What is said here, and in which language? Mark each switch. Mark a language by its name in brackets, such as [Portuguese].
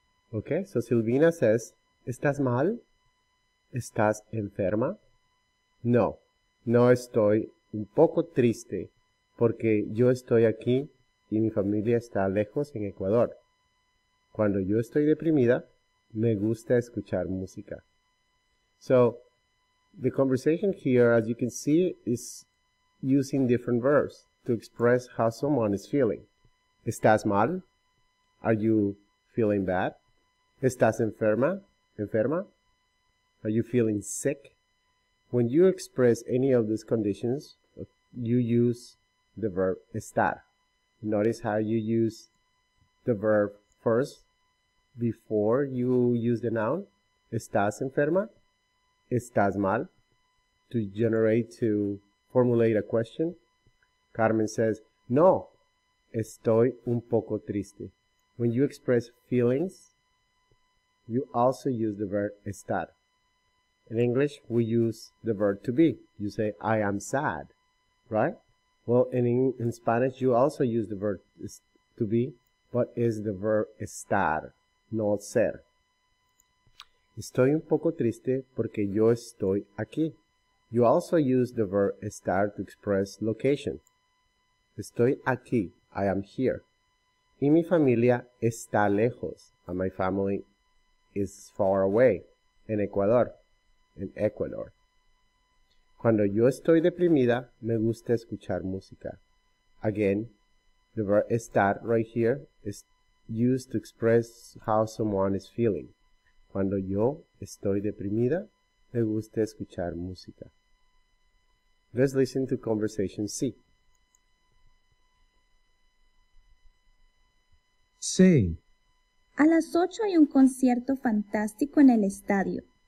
[English] Okay, so Silvina says, [Spanish] ¿estás mal? ¿Estás enferma? No, no estoy un poco triste porque yo estoy aquí y mi familia está lejos en Ecuador. Cuando yo estoy deprimida, me gusta escuchar música. [English] So, the conversation here, as you can see, is using different verbs to express how someone is feeling. [Spanish] ¿Estás mal? [English] Are you feeling bad? [Spanish] ¿Estás enferma? ¿Enferma? [English] Are you feeling sick? When you express any of these conditions, you use the verb estar. Notice how you use the verb first before you use the noun. [Spanish] ¿Estás enferma? ¿Estás mal? [English] To generate, to formulate a question. Carmen says, [Spanish] no, estoy un poco triste. [English] When you express feelings, you also use the verb estar. In English, we use the verb to be. You say, I am sad, right? Well, in Spanish, you also use the verb to be, but is the verb estar, not ser. [Spanish] Estoy un poco triste porque yo estoy aquí. [English] You also use the verb estar to express location. [Spanish] Estoy aquí. [English] I am here. [Spanish] Y mi familia está lejos. [English] And my family is far away in Ecuador. [Spanish] En Ecuador. Cuando yo estoy deprimida, me gusta escuchar música. [English] Again, the verb estar right here is used to express how someone is feeling. [Spanish] Cuando yo estoy deprimida, me gusta escuchar música. [English] Let's listen to conversation C. [Spanish] Sí. A las 8 hay un concierto fantástico en el estadio.